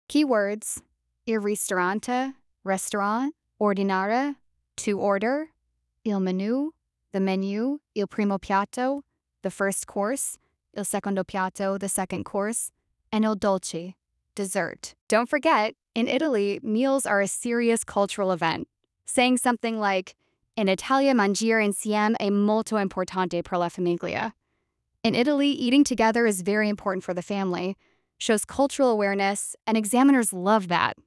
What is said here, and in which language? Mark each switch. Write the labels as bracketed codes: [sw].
[en] Keywords: il ristorante, restaurant, ordinare, to order, il menu, the menu, il primo piatto, the first course, il secondo piatto, the second course, and il dolce, dessert. Don't forget, in Italy, meals are a serious cultural event. Saying something like, [it] in Italia mangiare insieme è molto importante per la famiglia. [en] In Italy, eating together is very important for the family, shows cultural awareness, and examiners love that.